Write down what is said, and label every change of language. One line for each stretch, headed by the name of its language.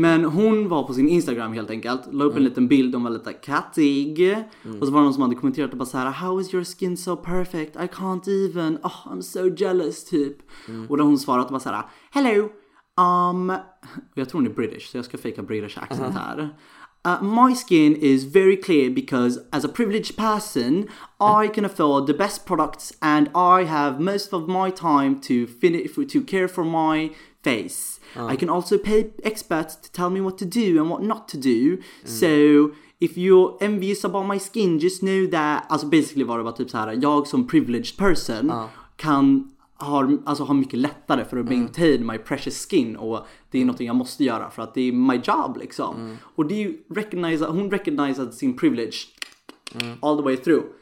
Swedish: Men hon var på sin Instagram helt enkelt. La upp en liten bild, hon var lite kattig. Och så var det någon som hade kommenterat och bara såhär,
English: how is your skin so perfect? I can't even. Oh, I'm so jealous,
Swedish: typ. Och då hon svarat och bara såhär, hello. Jag tror hon är British, så jag ska fejka British accent här.
English: My skin is very clear because as a privileged person, I can afford the best products and I have most of my time to care for my face. I can also pay experts to tell me what to do and what not to do. So if you're envious about my skin, just know that,
Swedish: alltså basically var det bara typ så här, jag som privileged person har mycket lättare för att
English: maintain my precious skin,
Swedish: och det är något jag måste göra för att det är
English: my job
Swedish: liksom. Och det är ju hon
English: recognized
Swedish: sin privilege
English: all the way through.